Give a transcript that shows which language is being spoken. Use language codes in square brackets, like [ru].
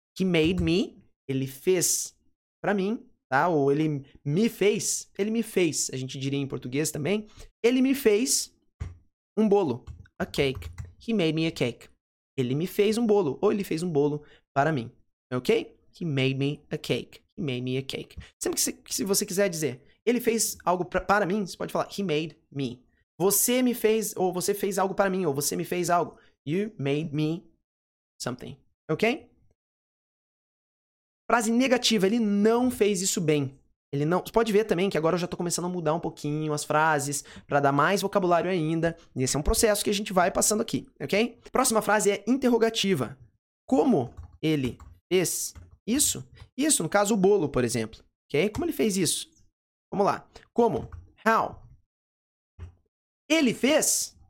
[en] He made me, [pt] ele fez pra mim, tá? Ou ele me fez, a gente diria em português também. Ele me fez um bolo, [en] a cake. He made me a cake. [pt] Ele me fez um bolo, ou ele fez um bolo para mim, ok? [en] He made me a cake, he made me a cake. [pt] Sempre que se você quiser dizer, ele fez algo para mim, você pode falar, [en] he made me. [pt] Você me fez, ou você fez algo para mim, ou você me fez algo. [en] You made me something, ok? [pt] Frase negativa, ele não fez isso bem. Ele não. Você pode ver também que agora eu já tô começando a mudar um pouquinho as frases para dar mais vocabulário ainda. E esse é um processo que a gente vai passando aqui, ok? Próxima frase é interrogativa. Como ele fez isso? Isso, no caso, o bolo, por exemplo. Ok? Como ele fez isso? Vamos lá. Como? How? Ele fez?